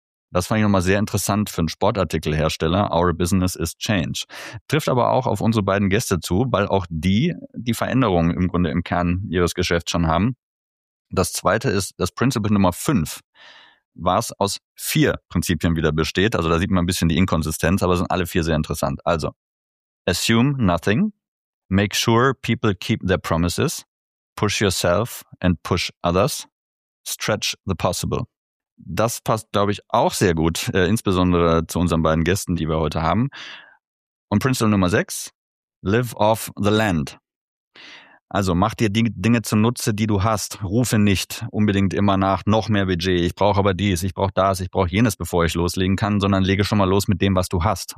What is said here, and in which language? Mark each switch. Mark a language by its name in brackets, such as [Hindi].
[German] Das fand ich nochmal sehr interessant für einen Sportartikelhersteller. [English] Our business is change. [German] Trifft aber auch auf unsere beiden Gäste zu, weil auch die Veränderungen im Grunde im Kern ihres Geschäfts schon haben. Das zweite ist das Prinzip Nummer 5, was aus 4 Prinzipien wieder besteht. Also da sieht man ein bisschen die Inkonsistenz, aber sind alle 4 sehr interessant. [English] Also, assume nothing, make sure people keep their promises, push yourself and push others. Stretch the possible. [German] Das passt, glaube ich, auch sehr gut, insbesondere zu unseren beiden Gästen, die wir heute haben. Und Principle Nummer 6, [English] live off the land. [German] Also mach dir die Dinge zunutze, die du hast. Rufe nicht unbedingt immer nach noch mehr Budget. Ich brauche aber dies, ich brauche das, ich brauche jenes, bevor ich loslegen kann, sondern lege schon mal los mit dem, was du hast.